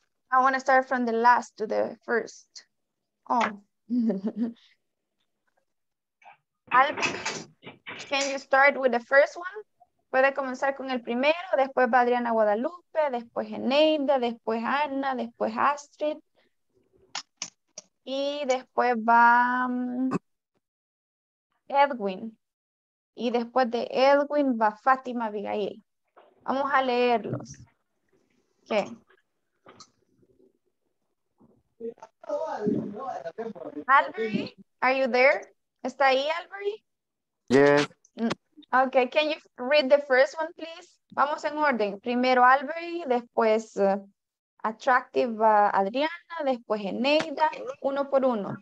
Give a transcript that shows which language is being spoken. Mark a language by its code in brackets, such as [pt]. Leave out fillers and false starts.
[en] I wanna start from the last to the first. Oh. Alvin, can you start with the first one? [es] Puede comenzar con el primero, después va Adriana Guadalupe, después Eneida, después Ana, después Astrid. Y después va Edwin. Y después de Edwin va Fátima Abigail. Vamos a leerlos. ¿Qué? [en] Albury, are you there? [es] ¿Está ahí, Albury? [en] Yes. Okay, can you read the first one, please? [es] Vamos en orden. Primero Albury, después Attractive Adriana, después Eneida, uno por uno.